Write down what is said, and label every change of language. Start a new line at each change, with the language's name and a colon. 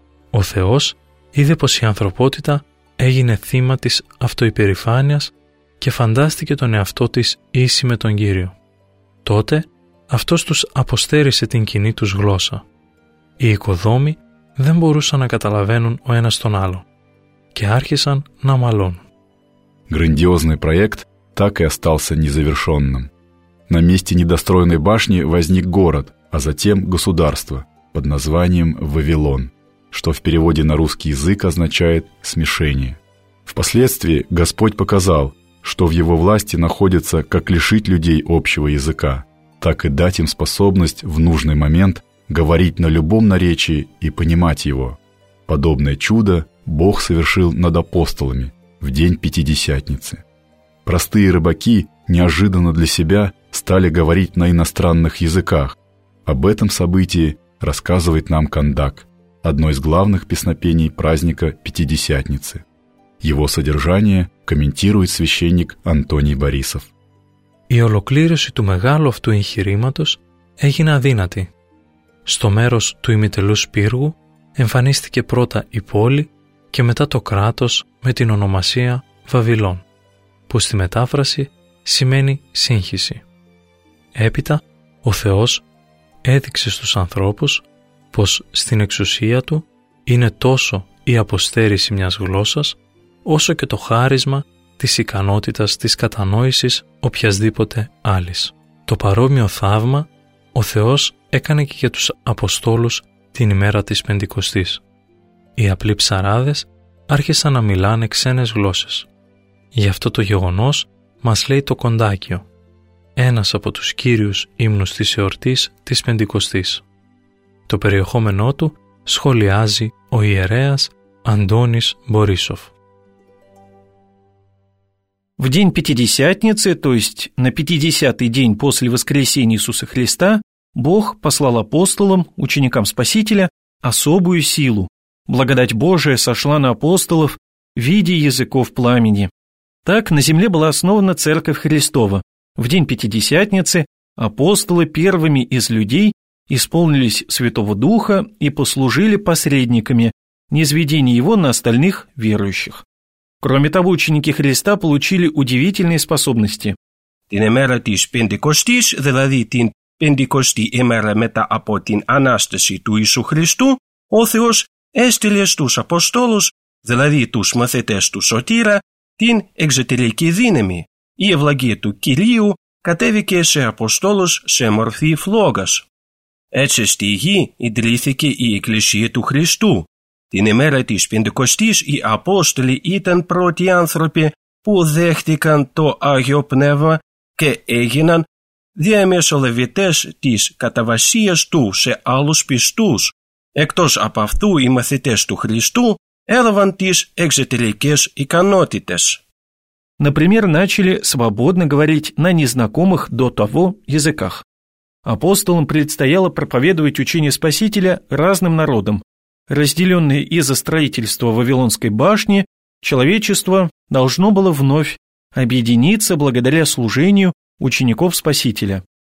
Greek: Ο Θεός είδε πως η ανθρωπότητα έγινε θύμα της αυτοϋπερηφάνειας και φαντάστηκε τον εαυτό της ίση με τον Κύριο. Τότε αυτός τους αποστέρισε την κοινή τους γλώσσα. Οι οικοδόμοι δεν μπορούσαν να καταλαβαίνουν ο ένας τον άλλο και άρχισαν να μαλώνουν.
Russian: Грандиозный проект так и остался незавершенным. На месте недостроенной башни возник город, а затем государство под названием Вавилон, что в переводе на русский язык означает «смешение». Впоследствии Господь показал, что в Его власти находится как лишить людей общего языка, так и дать им способность в нужный момент говорить на любом наречии и понимать его. Подобное чудо Бог совершил над апостолами в день Пятидесятницы. Простые рыбаки неожиданно для себя стали говорить на иностранных языках. Об этом событии рассказывает нам Кандак, одно из главных песнопений праздника Пятидесятницы. Его содержание комментирует священник Антоний Борисов.
Greek: Η ολοκλήρωση του μεγάλου αυτού εγχειρήματος έγινε αδύνατη. Στο μέρος του ημιτελούς πύργου εμφανίστηκε πρώτα η πόλη και μετά το κράτος με την ονομασία Βαβυλών, που στη μετάφραση σημαίνει σύγχυση. Έπειτα, ο Θεός έδειξε στους ανθρώπους πως στην εξουσία Του είναι τόσο η αποστέρηση μιας γλώσσας, όσο και το χάρισμα της ικανότητας της κατανόησης οποιασδήποτε άλλης. Το παρόμοιο θαύμα ο Θεός έκανε και για τους Αποστόλους την ημέρα της Πεντηκοστής. Οι απλοί ψαράδες άρχισαν να μιλάνε ξένες γλώσσες. Γι' αυτό το γεγονός μας λέει το Κοντάκιο, ένας από τους κύριους ύμνους της εορτής της Πεντηκοστής. Το περιεχόμενό του σχολιάζει ο ιερέας Αντώνης Μπορίσοφ.
Russian: В день Пятидесятницы, то есть на 50-й день после воскресения Иисуса Христа, Бог послал апостолам, ученикам Спасителя, особую силу. Благодать Божия сошла на апостолов в виде языков пламени. Так на земле была основана Церковь Христова. В день Пятидесятницы апостолы первыми из людей исполнились Святого Духа и послужили посредниками, низведения Его на остальных верующих. Кроме того, ученики Христа получили удивительные способности.
Greek: Την ημέρα της Πεντηκοστής, δηλαδή την Πεντηκοστή ημέρα μετά από την Ανάσταση του Ιησού Χριστού, ο Θεός έστειλε στους Αποστόλους, δηλαδή τους μαθητές του Σωτήρα, την εξωτερική δύναμη. Η ευλαγία του Κυρίου κατέβηκε σε Αποστόλους σε μορφή φλόγας. Έτσι στη γη ιδρύθηκε η Εκκλησία του Χριστού. Την ημέρα της Πεντηκοστής οι Απόστολοι ήταν πρώτοι άνθρωποι που δέχτηκαν το Άγιο Πνεύμα και έγιναν διαμεσολαβητές της καταβασίας του σε άλλους πιστούς. Εκτός από αυτού οι μαθητές του Χριστού έλαβαν τις εξωτερικές ικανότητες.
Russian: Например, начали свободно говорить на незнакомых до того языках. Апостолам предстояло проповедовать учение Спасителя разным народам. Разделенное из-за строительства Вавилонской башни, человечество должно было вновь объединиться благодаря служению учеников Спасителя.